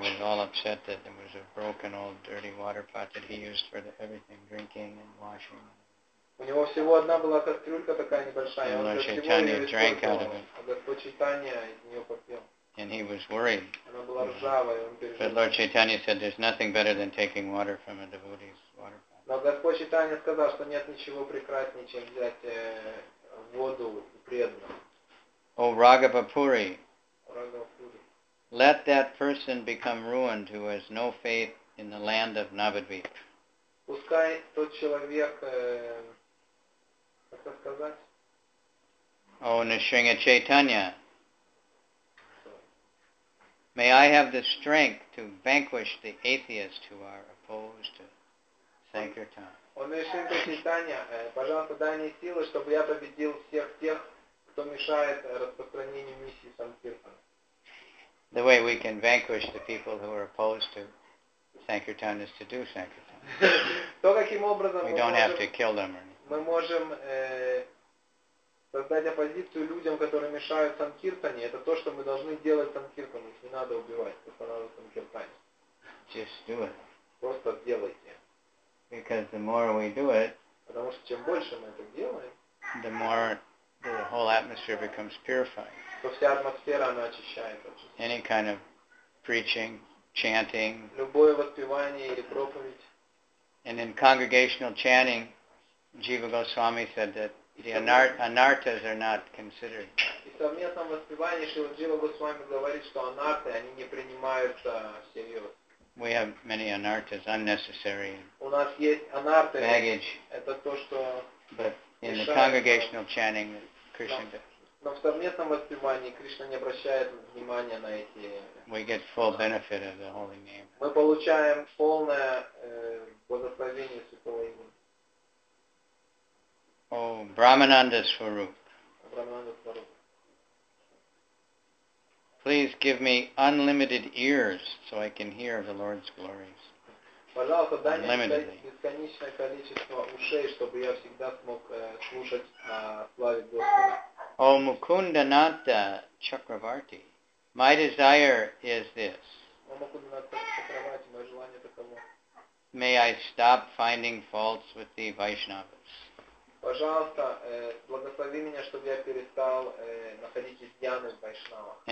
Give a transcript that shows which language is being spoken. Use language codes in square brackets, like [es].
[en] was all upset that there was a broken old dirty water pot that he used for the everything, drinking and washing. [ru] У него всего одна была кастрюлька такая небольшая, он для всего ее использовал, а Господь Чайтанья из нее попил. [en] And he was worried. [ru] Она была ржавая, он переживал. [en] But Lord Chaitanya said, there's nothing better than taking water from a devotee's water pot. [ru] Но Господь Чайтанья сказал, что нет ничего прекраснее, чем взять воду преданного. О, Рагава Пури. Рагава Пури. [en] Let that person become ruined who has no faith in the land of Navadvip. [ru] Пускай тот человек, как это сказать? О, Нисринга Чайтанья. [en] May I have the strength to vanquish the atheists who are opposed to Sankirtan. [ru] О, Нисринга Чайтанья, пожалуйста, дай мне силы, чтобы я победил всех тех, кто мешает распространению миссии Санкиртан. [en] The way we can vanquish the people who are opposed to Sankirtan is to do Sankirtan. [ru] То, каким образом [en] we don't have to kill them or anything. [ru] Мы можем создать оппозицию людям, которые мешают Санкиртане. Это то, что мы должны делать Санкиртане. Не надо убивать, просто надо Санкиртане. [en] Just do it. [ru] Просто делайте. [en] Because the more we do it, [ru] потому что чем больше мы это делаем, [en] the more the whole atmosphere becomes purified. [ru] То вся атмосфера, она очищается. [en] Any kind of preaching, chanting. [ru] Любое воспевание или проповедь. [en] And in congregational chanting, Jiva Goswami said that the anartas are not considered. [ru] И в совместном воспевании Шрила Джива Госвами говорит, что анарты, они не принимаются всерьез. [en] We have many anartas, unnecessary. [ru] У нас есть анарты. [en] Baggage. [ru] Это то, что. [en] But in the congregational chanting, Krishna. [ru] Но в совместном воспевании Кришна не обращает внимания на эти. [en] We get full benefit of the holy name. [ru] Мы получаем полное благословение святого имени. О, Брахмананда Сваруп. Брахмананда Сваруп. [en] Please give me unlimited ears so I can hear the Lord's glories. [ru] Пожалуйста, дай мне бесконечное количество ушей, чтобы я всегда смог слушать славе Господа. [en] О, Мукунданатта Чакраварти. My desire is this. [ru] О, Мукунданатта Чакраварти, мое желание таково. [en] May I stop finding faults with the Vaishnavas. [ru] Пожалуйста, благослови меня, чтобы я перестал находить изъяны в Вайшнавах.